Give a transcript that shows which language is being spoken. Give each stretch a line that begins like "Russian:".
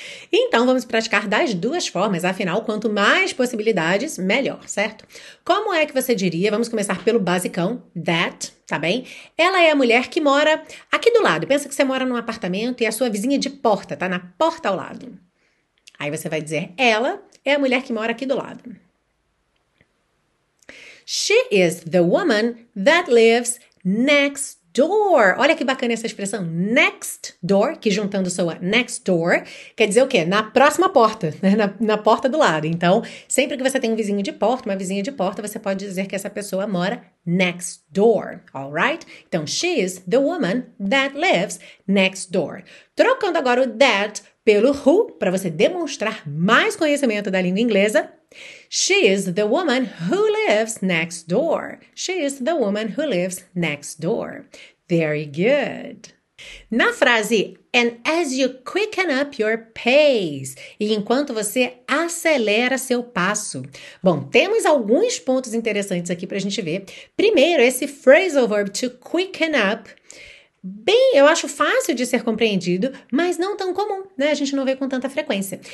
Portuguese: Então, vamos praticar das duas formas, afinal, quanto mais possibilidades, melhor, certo? Como é que você diria? Vamos começar pelo basicão, that, tá bem? Ela é a mulher que mora aqui do lado. Pensa que você mora num apartamento e a sua vizinha de porta tá na porta ao lado. Aí você vai dizer, ela é a mulher que mora aqui do lado.
English: She is the woman that lives next door.
Portuguese: Olha que bacana essa expressão, next door, que juntando soa next door, quer dizer o quê? Na próxima porta, né? Na porta do lado. Então, sempre que você tem um vizinho de porta, uma vizinha de porta, você pode dizer que essa pessoa mora next door,
English: all right? Então, she is the woman that lives next door.
Portuguese: Trocando agora o that pelo who, para você demonstrar mais conhecimento da língua inglesa.
English: She is the woman who lives next door. She is the woman who lives next door. Very good.
Portuguese: Na frase,
English: and as you quicken up your pace,
Portuguese: e enquanto você acelera seu passo. Bom, temos alguns pontos interessantes aqui para a gente ver. Primeiro, esse phrasal verb to quicken up. Bem, eu acho fácil de ser compreendido, mas não tão comum, né? A gente não vê com tanta frequência.